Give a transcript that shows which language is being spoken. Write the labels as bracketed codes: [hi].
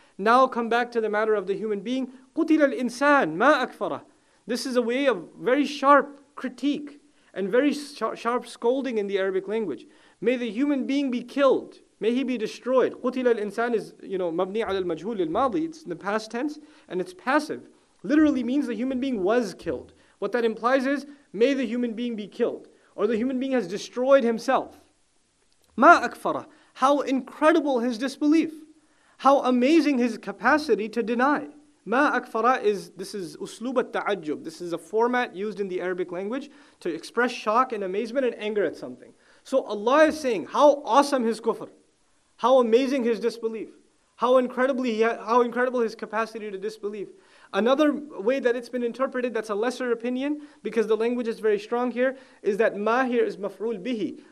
[en] Now come back to the matter of the human being. [ar] قُتِلَ الْإِنسَانِ مَا أَكْفَرَ. [en] This is a way of very sharp critique and very sharp scolding in the Arabic language. May the human being be killed. May he be destroyed. [ar] قُتِلَ الْإِنسَانِ [en] is, you know, [ar] مَبْنِي عَلَى الْمَجْهُولِ الْمَاضِي. [en] It's in the past tense and it's passive. Literally means the human being was killed. What that implies is, may the human being be killed. Or the human being has destroyed himself. [ar] مَا أَكْفَرَ. [en] How incredible his disbelief. How amazing his capacity to deny. [ar] مَا أَكْفَرَ [en] is, this is [ar] أُسْلُوبَ التَّعَجُّبُ. [en] This is a format used in the Arabic language to express shock and amazement and anger at something. So Allah is saying, how awesome his kufr. How amazing his disbelief. How incredible his capacity to disbelieve. Another way that it's been interpreted that's a lesser opinion, because the language is very strong here, is that ma here is maf'ul bihi.